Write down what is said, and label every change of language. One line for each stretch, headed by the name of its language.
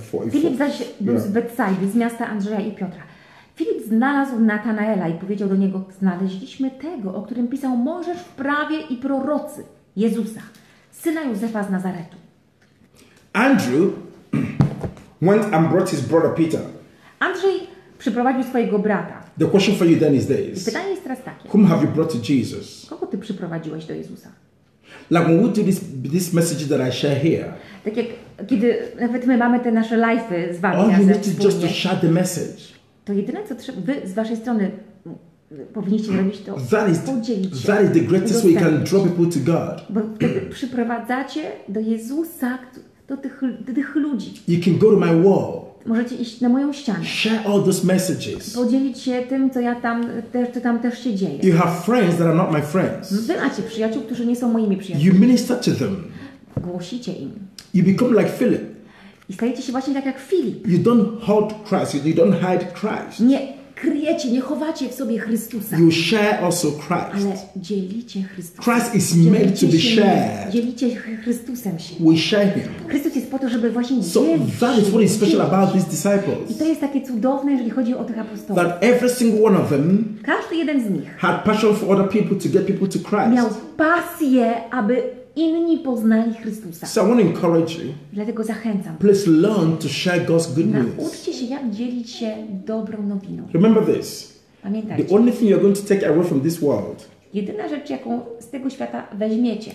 Polish: Filip zaś był z Bethsaidy, z miasta Andrzeja i Piotra. Filip znalazł Natanaela i powiedział do niego, znaleźliśmy tego, o którym pisał Mojżesz w prawie i prorocy, Jezusa, syna Józefa z Nazaretu.
English: Andrew went and brought his brother Peter.
Polish: Andrzej przyprowadził swojego brata.
English: The question for you then is this.
Polish: Pytanie jest teraz takie.
English: Whom have you brought to Jesus?
Polish: Kogo ty przyprowadziłeś do Jezusa?
English: Like when we do this message that I share here.
Polish: Tak jak kiedy nawet my mamy te nasze live'y z wami.
English: All you need is just to share the message.
Polish: To jedyne co wy z waszej strony powinniście zrobić to podzielić się.
English: That is the greatest way you can draw people to God.
Polish: Bo wtedy przyprowadzacie do Jezusa, do tych ludzi.
English: You can go to my wall.
Polish: Możecie iść na moją ścianę.
English: Share all those messages.
Polish: Podzielić się tym, co ja tam też, co tam też się dzieje.
English: You have friends that are not my friends.
Polish: Wy macie przyjaciół, którzy nie są moimi przyjaciółmi.
English: You minister to them.
Polish: Głosicie im.
English: You become like Philip.
Polish: I stajecie się właśnie tak jak Filip.
English: You don't hold Christ. You don't hide Christ.
Polish: Nie kryjecie, nie chowacie w sobie Chrystusa.
English: You share also Christ.
Polish: Ale dzielicie Chrystusem.
English: Christ is made to be shared.
Polish: Dzielicie Chrystusem się.
English: We share him.
Polish: Chrystus jest po to, żeby właśnie dzielić.
English: So that is what is special about these disciples.
Polish: I to jest takie cudowne, jeżeli chodzi o tych apostołów.
English: That every single one of them,
Polish: każdy jeden z nich,
English: had passion for other people to get people to Christ.
Polish: Miał pasję, aby inni poznali Chrystusa.
English: So I want to encourage you.
Polish: Dlatego zachęcam.
English: Please learn to share God's good news.
Polish: Nauczcie się, jak dzielić się dobrą nowiną.
English: Remember this.
Polish: Pamiętajcie.
English: The only thing you're going to take away from this world.
Polish: Jedyna rzecz, jaką z tego świata weźmiecie.